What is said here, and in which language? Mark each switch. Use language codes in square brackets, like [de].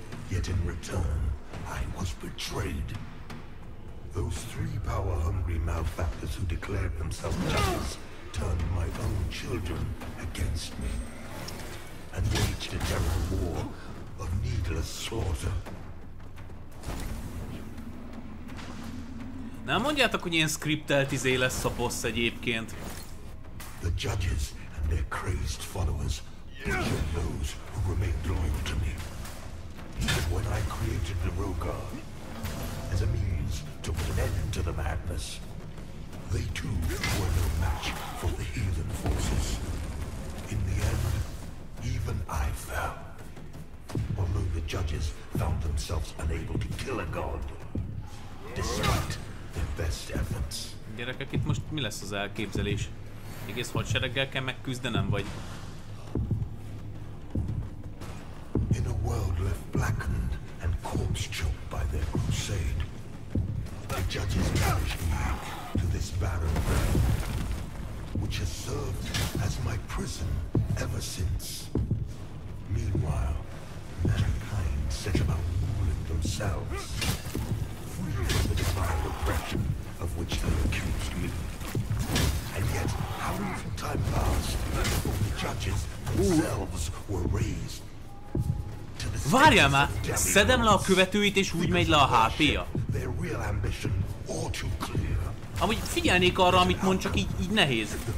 [en] Yet in return, I was betrayed. Those three power-hungry malefactors who declared themselves judges turned my own children against me and waged a terrible war of needless slaughter. [hu] Nem mondjátok, hogy ilyen skriptelt izé lesz a boss egyébként. [en] The judges and their crazed followers killed those who remained loyal to me. Even when I created the Rogar as a means to put an end to the madness, they too were no match for the heathen forces. In the end, even I fell. Although the judges found themselves unable to kill a god, despite their best efforts. [hu] Gyerekek, itt most mi lesz az elképzelés? Egész hadsereggel kell megküzdenem, vagy? [en] In a world left blackened and corpse-choked by their crusade, the judges banished me to this barren realm, which has served as my prison ever since. Meanwhile, mankind set about ruling themselves, free from the divine oppression of which they accused me. And yet, how little time passed before the judges themselves were raised to the status of demigods. [hu] Szedem le a követőit, és úgy megy le a HP-ja. [en] Their real ambition all too clear. [hu] Amúgy figyelnék arra, amit mond, csak így nehéz.